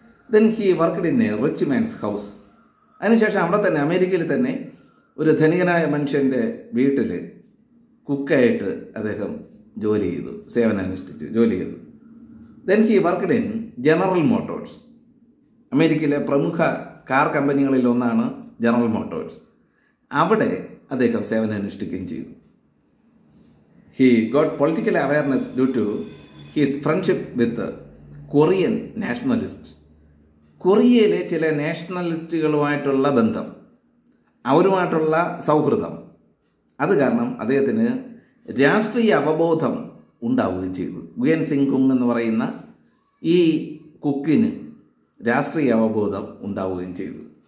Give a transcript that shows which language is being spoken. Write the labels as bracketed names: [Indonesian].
[English] Then he worked in a rich man's house. [Malayalam] അതിനുശേഷം അവിടെ തന്നെ അമേരിക്കയിൽ തന്നെ ഒരു ധനികനായ മനുഷ്യൻ്റെ വീട്ടിൽ കുക്കായിട്ട് അദ്ദേഹം ജോലി ചെയ്തു, സേവനമനുഷ്ഠിച്ചു, ജോലി ചെയ്തു. [English] Then he worked in General Motors. [Malayalam] അമേരിക്കയിലെ പ്രമുഖ കാർ കമ്പനികളിലൊന്നാണ് ജനറൽ മോട്ടോഴ്സ്. അവിടെ അദ്ദേഹം സേവനമനുഷ്ഠിക്കുകയും ചെയ്തു. [English] He got political awareness due to his friendship with a Korean nationalist. [Malayalam] കൊറിയയിലെ ചില നാഷണലിസ്റ്റുകളുമായിട്ടുള്ള ബന്ധം, അവരുമായിട്ടുള്ള സൗഹൃദം, അത് കാരണം അദ്ദേഹത്തിന് രാഷ്ട്രീയ അവബോധം ഉണ്ടാവുകയും ചെയ്തു. ഗുയൻ സിംഗ് കുങ് എന്ന് പറയുന്ന ഈ കുക്കിന് രാഷ്ട്രീയ അവബോധം ഉണ്ടാവുകയും ചെയ്തു.